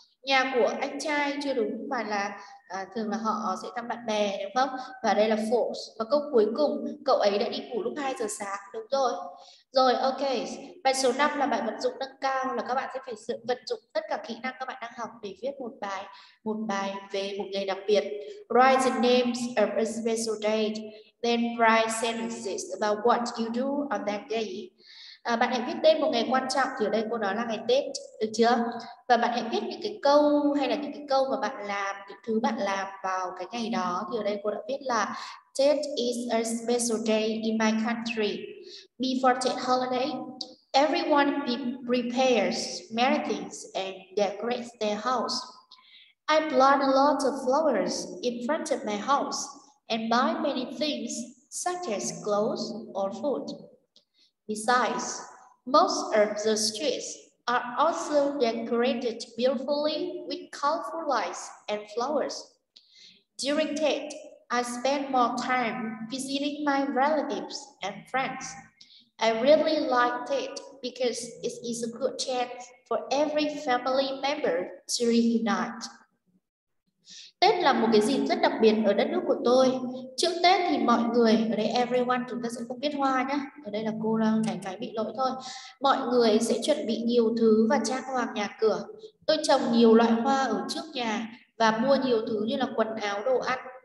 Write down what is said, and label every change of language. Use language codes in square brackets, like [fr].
[vi] Nhà của anh trai chưa đúng mà là thường là họ sẽ thăm bạn bè đúng không? Và đây là false. Và câu cuối cùng, cậu ấy đã đi ngủ lúc 2 giờ sáng, đúng rồi. Rồi, ok. Bài số 5 là bài vận dụng nâng cao, là các bạn sẽ phải sự vận dụng tất cả kỹ năng các bạn đang học để viết một bài về một ngày đặc biệt. [en] Write the names of a special day, then write sentences about what you do on that day. [vi] Bạn hãy viết tên một ngày quan trọng, thì ở đây cô nói là ngày Tết, được chưa? Và bạn hãy viết những cái câu hay là những cái câu mà bạn làm, những thứ bạn làm vào cái ngày đó, thì ở đây cô đã viết là [en] Tết is a special day in my country. Before Tết holiday, everyone prepares many things and decorates their house. I plant a lot of flowers in front of my house and buy many things such as clothes or food. Besides, most of the streets are also decorated beautifully with colorful lights and flowers. During Tet, I spend more time visiting my relatives and friends. I really like Tet because it is a good chance for every family member to reunite. [vi] Tết là một cái dịp rất đặc biệt ở đất nước của tôi. Trước Tết thì mọi người, ở đây everyone chúng ta sẽ không biết hoa nhé. Ở đây là cô đang đánh cái bị lỗi thôi. Mọi người sẽ chuẩn bị nhiều thứ và trang hoàng nhà cửa. Tôi trồng nhiều loại hoa ở trước nhà và mua nhiều thứ như là quần áo, đồ ăn.